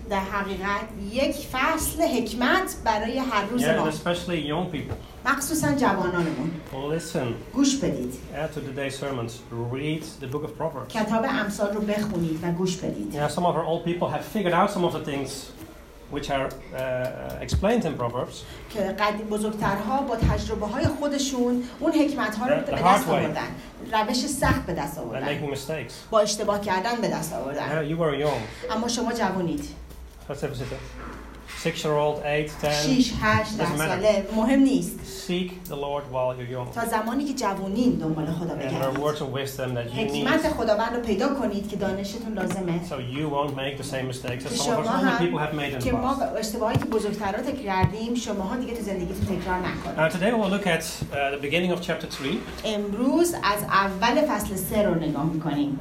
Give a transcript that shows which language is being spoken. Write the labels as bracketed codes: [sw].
[fa] در حقیقت یک فصل حکمت برای هر روز ما. [en] Yeah, and especially young people. [fa] مخصوصا جوانانمون. [en] Listen. [fa] گوش بدید. [en] Add to today's sermons. Read the book of Proverbs. [fa] کتاب امثال رو بخونید و گوش بدید. [en] Yeah, some of our old people have figured out some of the things which are explained in Proverbs. [fa] که قدیم بزرگترها با تجربه‌های خودشون اون حکمت‌ها رو به دست آوردن. روش سخت به دست آوردن. [en] And making mistakes. [fa] با اشتباه کردن به دست آوردن. [en] Yeah, you were young. [fa] اما شما جوانید. [en] Six-year-old, eight, ten. [fa] 6-8 ساله. مهم نیست. [en] Seek the Lord while you're young. [fa] تا زمانی که جوانین دنبال خدا بگردید. [en] And words of wisdom that you need. [fa] حکمت خداوند رو پیدا کنید که دانشتون لازمه. [en] So you won't make the same mistakes as some of the people have made in the past. [fa] که ما اشتباهی که بزرگترها تکراریم، شماها دیگه تو زندگیتون تکرار نکنید. [en] Now today we'll look at the beginning of chapter 3. [fa] امروز از اول فصل 3 رو نگاه می‌کنیم.